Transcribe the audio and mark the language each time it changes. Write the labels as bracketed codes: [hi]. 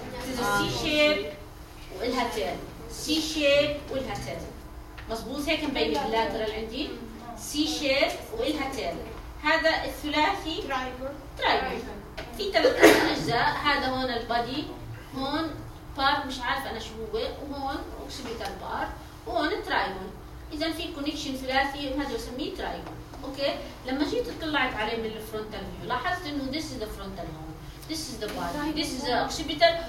[en] This is a C-shape وإلها tail. C-shape وإلها tail. [ar] مظبوط هيك مبين lateral عندي. [en] C-shape وإلها tail. [ar] هذا الثلاثي. [en] Triangle. [ar] في ثلاث أجزاء. هذا هون البادي، هون بارت مش عارف أنا شو هو، وهون أوكسيبيتال بارت، وهون الترايجون. إذا في كونكشن ثلاثي هذا بسميه ترايجون. أوكي لما جيت طلعت عليه من الفرونتال فيو لاحظت إنه [en] this is the frontal [ar] هون، [en] This is the body, this is the occipital.